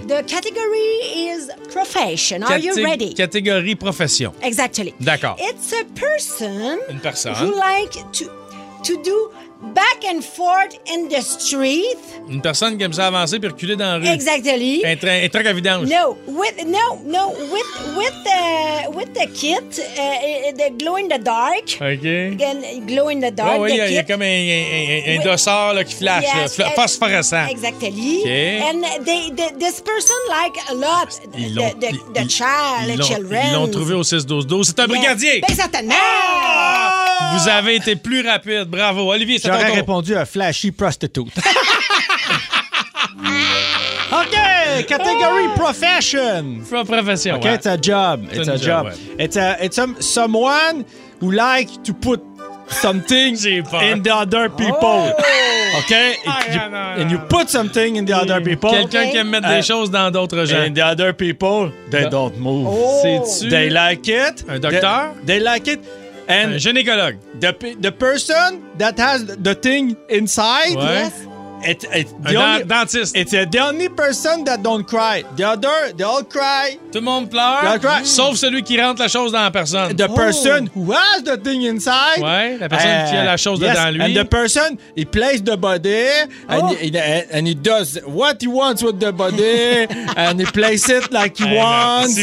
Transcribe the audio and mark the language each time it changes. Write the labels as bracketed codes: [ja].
[en] The category is profession. Are you ready? [fr] Catégorie profession. [en] Exactly. [fr] D'accord. [en] It's a person... [fr] Une personne. [en] ...who like to do... Back and forth in the street. [fr] Une personne qui aime ça avancer puis reculer dans la rue. [en] Exactly. [fr] Un truc à vidange. [en] With the kit, the glow in the dark. OK. Glow in the dark. [fr] Oh, oui, il y a comme un dossard qui flash, yes, là, phosphorescent. [en] Exactly. OK. And this person like a lot the children. [fr] Ils l'ont trouvé au 6-12-12. C'est un brigadier. Bien certainement. Vous avez été plus rapide. Bravo. Olivier, c'est j'aurais répondu à [en] flashy prostitute. OK! [fr] Catégorie profession. Profession, [en] OK, it's a job. It's a job. Ouais. It's someone who like to put something in the other people. Oh. OK? And you put something in the other people. [fr] Quelqu'un qui aime mettre des choses dans d'autres gens. [en] And the other people, they don't move. Oh. They like it. [fr] Un docteur? [en] They like it. [fr] And un gynécologue. [en] The person that has the thing inside. [fr] Ouais. [en] Yes. [fr] Dentiste. [en] It's the only person that don't cry. The other, they all cry. [fr] Tout le monde pleure. [en] They all cry. Mm. [fr] Sauf celui qui rentre la chose dans la personne. [en] The person who has the thing inside. [fr] Ouais, la personne qui a la chose dedans lui. [en] And the person, he place the body and he does what he wants with the body and he place it like he wants.